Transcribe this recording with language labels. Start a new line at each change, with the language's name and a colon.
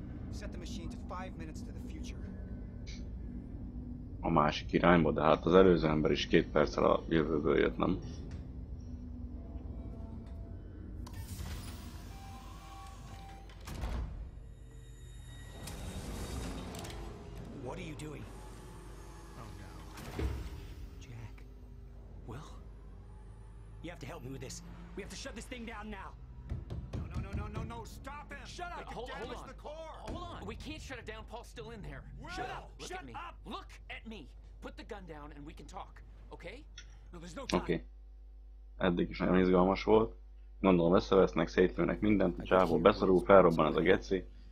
English: Set the machine to 5 minutes to the future.
Hungarian: A másik irányba, de hát az előző ember is 2 perccel a jövőből jött, nem?
English: We have to shut this thing down now. No, stop him. Shut up. Hold on. The core. Hold on. We can't shut it down. Paul's still in there. Will. Shut up. Look at me. Up. Look at me. Put the gun down and we can talk. Okay? No, there's no time. Okay.
Hungarian: Eddig is nagyon izgalmas volt. Gondolom összevesznek, szétlőnek mindent. A csávó beszorul, felrobban ez a geci.